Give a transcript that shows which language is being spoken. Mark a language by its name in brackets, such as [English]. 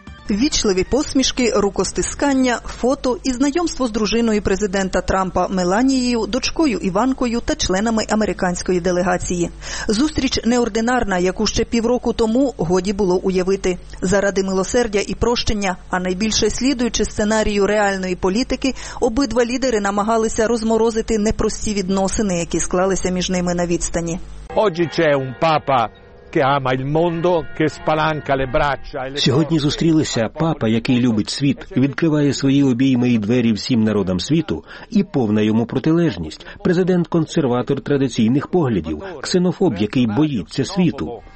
[Ukrainian] Вічливі посмішки, рукостискання, фото і знайомство з дружиною президента Трампа Меланією, дочкою Іванкою та членами американської делегації. Зустріч неординарна, яку ще півроку тому годі було уявити. Заради милосердя і прощення, а найбільше слідуючи сценарію реальної політики, обидва лідери намагалися розморозити непрості відносини, які склалися між ними на відстані. [Italian] Oggi c'è un papa che ama il mondo, che spalanca le braccia. [Ukrainian] Сьогодні зустрілися папа, який любить світ, відкриває свої обійми і двері всім народам світу, і повна йому протилежність. Президент-консерватор традиційних поглядів, ксенофоб, який боїться світу.